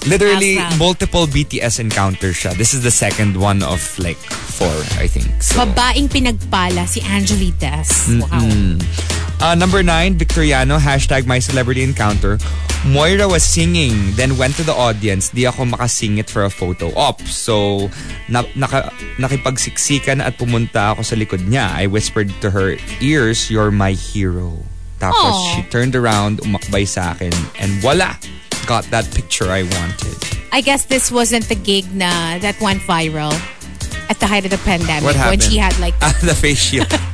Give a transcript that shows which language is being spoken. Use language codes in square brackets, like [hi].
[en] Literally, multiple BTS encounters siya. This is the second one of like four, I think. So, [tl] babaeng pinagpala si Anjali Des. Wow. [en] Number 9, Victoriano, hashtag my celebrity encounter. Moira was singing, then went to the audience. [tl] Di ako makasing [en] it for a photo op. [tl] So, nakipagsiksikan at pumunta ako sa likod niya. [en] I whispered to her ears, "You're my hero." [tl] Tapos, aww, [en] she turned around, [tl] umakbay sa akin, [en] and voila, got that picture I wanted. I guess this wasn't the gig na that went viral at the height of the pandemic. What happened? When she had like... the face shield.